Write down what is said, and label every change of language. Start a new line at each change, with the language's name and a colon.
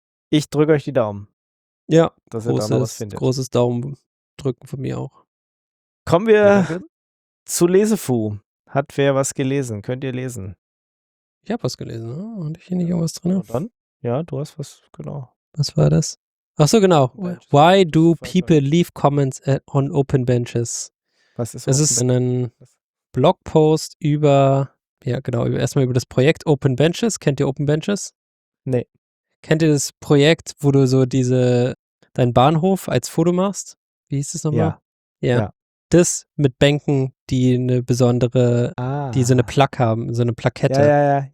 German: Ich drücke euch die Daumen. Ja, dass ihr großes, da noch was findet. Großes Daumen drücken von mir auch. Kommen wir zu Lesefu. Hat wer was gelesen? Könnt ihr lesen? Ich habe was gelesen. Oh, und ich hier nicht irgendwas drin? Dann? Ja, du hast was, genau. Was war das? Ach so, genau.
English: Why do people leave comments on open benches?
German: Was ist das? Es ist ein Blogpost über... Ja, genau. Erstmal über das Projekt Open Benches. Kennt ihr Open Benches? Nee. Kennt ihr das Projekt, wo du so diese, deinen Bahnhof als Foto machst? Wie hieß das nochmal? Ja. Ja. Das mit Bänken, die eine besondere, die so eine Plaque haben, so eine Plakette.